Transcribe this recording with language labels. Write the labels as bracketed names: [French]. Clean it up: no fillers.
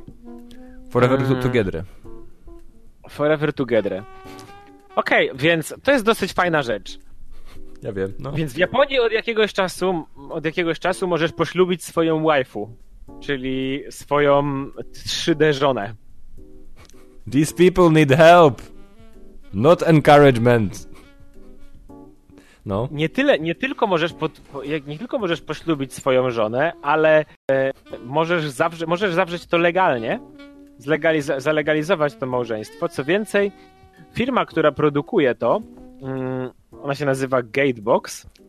[English] Okay. Forever Together. Forever Together. [Polish] Okej, okay, więc to jest dosyć fajna rzecz. Ja wiem, no. Więc w Japonii od jakiegoś czasu możesz poślubić swoją waifu, czyli swoją 3D żonę. [English] These people need help, not encouragement. [Polish] No. Nie tylko możesz poślubić swoją żonę, ale możesz zawrzeć to legalnie, zalegalizować to małżeństwo. Co więcej, firma, która produkuje to, ona się nazywa Gatebox.